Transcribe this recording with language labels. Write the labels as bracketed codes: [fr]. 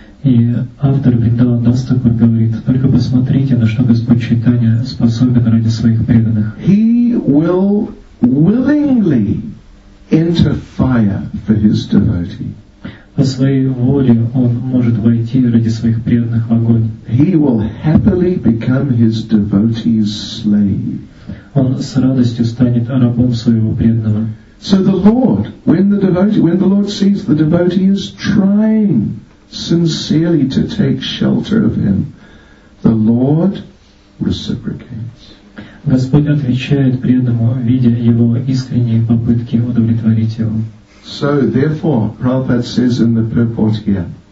[ru] И автор Вриндаван Дас Такур говорит, только посмотрите, на что Господь Чайтанья способен ради своих преданных. [en] He will willingly enter fire for his devotee. [ru] По своей воле он может войти ради своих преданных в огонь. [en] He will happily become his devotee's slave. [ru] Он с радостью станет рабом своего преданного. [en] So the Lord, when the Lord sees the devotee is trying sincerely to take shelter of him, the Lord reciprocates. [ru] Господь отвечает преданному, видя его искренние попытки удовлетворить его. [en] So therefore, Prabhupada says in the purport here.